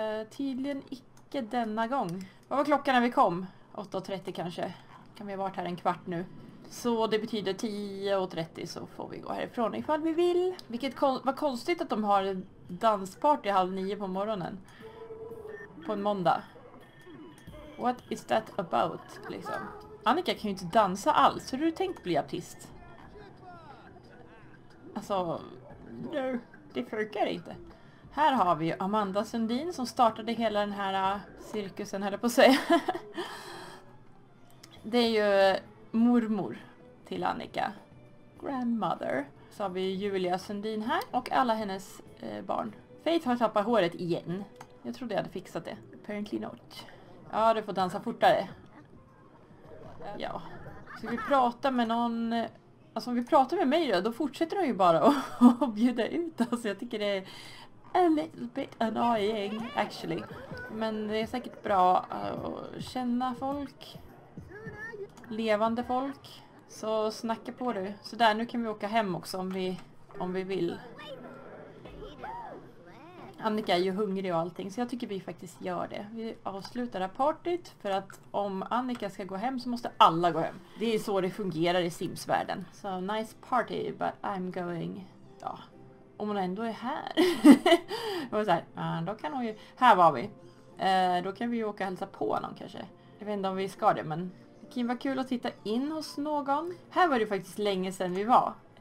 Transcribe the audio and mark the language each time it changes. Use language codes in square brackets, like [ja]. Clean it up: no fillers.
[sv] Tydligen icke denna gång. Vad var klockan när vi kom? 8:30 kanske. Kan vi ha varit här en kvart nu? Så det betyder 10:30 så får vi gå härifrån ifall vi vill. Vilket var konstigt att de har dansparty 8:30 på morgonen. På en måndag. [en] What is that about, liksom? [sv] Annika kan ju inte dansa alls. Hur har du tänkt bli artist? Alltså, no, det funkar inte. Här har vi Amanda Sundin som startade hela den här cirkusen, höll på att säga. Det är ju mormor till Annika. Grandmother. Så har vi Julia Sundin här. Och alla hennes barn. Faith har tappat håret igen. Jag trodde jag hade fixat det. [en] Apparently not. [sv] Ja, du får dansa fortare. Ja. Så vi pratar med någon... Alltså om vi pratar med mig då fortsätter de ju bara att bjuda ut. Alltså jag tycker det är [en] a little bit annoying actually. [sv] Men det är säkert bra att känna folk. Levande folk. Så snacka på du. Så där, nu kan vi åka hem också om vi vill. Annika är ju hungrig och allting, så jag tycker vi faktiskt gör det. Vi avslutar det här partiet, för att om Annika ska gå hem så måste alla gå hem. Det är så det fungerar i Sims-världen. [en] So nice party, but I'm going... [sv] Ja, om hon ändå är här. Jag var så här, då kan hon ju... Här var vi. Då kan vi ju åka hälsa på någon kanske. Jag vet inte om vi ska det, men... Det kan vara kul att titta in hos någon. Här var det faktiskt länge sedan vi var.